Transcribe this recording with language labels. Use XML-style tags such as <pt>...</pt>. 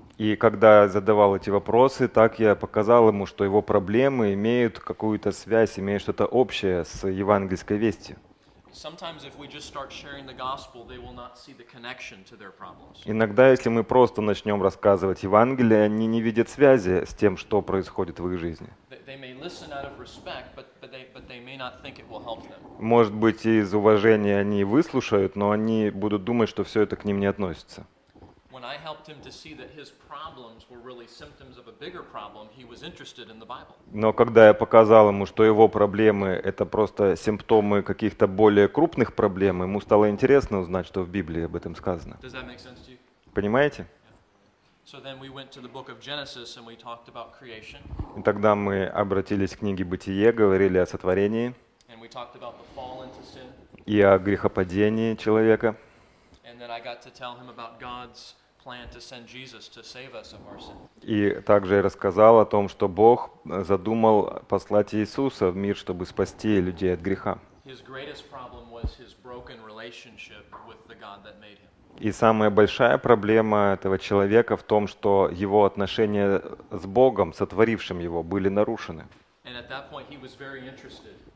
<ru>И когда я задавал эти вопросы, так я показал ему, что его проблемы имеют какую-то связь, имеют что-то общее с евангельской вестью.</ru> <en>Sometimes if we just start sharing the gospel, they will not see the connection to their problems.</en> <ru>Иногда, если мы просто начнем рассказывать Евангелие, они не видят связи с тем, что происходит в их жизни.</ru> <en>They may listen out of respect, but they may not think it will help them.</en> <ru>Может быть, из уважения они выслушают, но они будут думать, что все это к ним не относится.</ru> <en>When I helped him to see that his problems were really symptoms of a bigger problem, he was interested in the Bible.</en> <ru>Но когда я показал ему, что его проблемы это просто симптомы каких-то более крупных проблем, ему стало интересно узнать, что в Библии об этом сказано.</ru> <en>Does that make sense to you?</en> <ru>Понимаете?</ru> <en>So then we went to the book of Genesis and we talked about creation.</en> <ru>И тогда мы обратились к книге Бытие, говорили о сотворении.</ru> <en>And we talked about the fall into sin.</en> <ru>И о грехопадении человека.</ru> <en>And then I got to tell him about God's plan to send Jesus to save us of our sin.</en> <ru>И также я рассказал о том, что Бог задумал послать Иисуса в мир, чтобы спасти людей от греха.</ru> <en>His greatest problem was his broken relationship with the God that made him.</en> <ru>И самая большая проблема этого человека в том, что его отношения с Богом, сотворившим его, были нарушены.</ru> <en>And at that point he was very interested.</en>